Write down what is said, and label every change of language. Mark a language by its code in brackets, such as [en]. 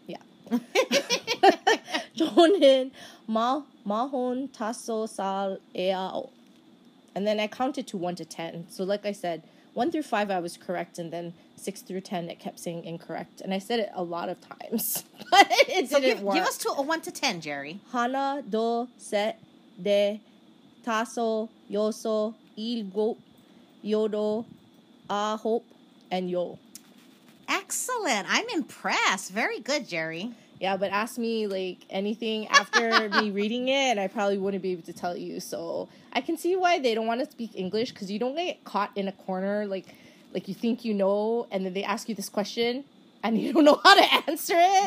[en] Yeah. [ko] 저는 45살이에요. [en] And then I counted to 1 to 10. So like I said, 1 through 5 I was correct, and then 6 through 10 it kept saying incorrect. And I said it a lot of times, but it didn't work. Give us to a 1 to 10, Jerry. [ko] 하나, 둘, 셋, 넷, 다섯, 여섯, 일곱, 여덟, 아홉, [en] and [ko] 열. [en] Excellent. I'm impressed. Very good, Jerry. Yeah, but ask me, like, anything after me reading it, I probably wouldn't be able to tell you. So I can see why they don't want to speak English, because you don't get caught in a corner like you think you know, and then they ask you this question, and you don't know how to answer it.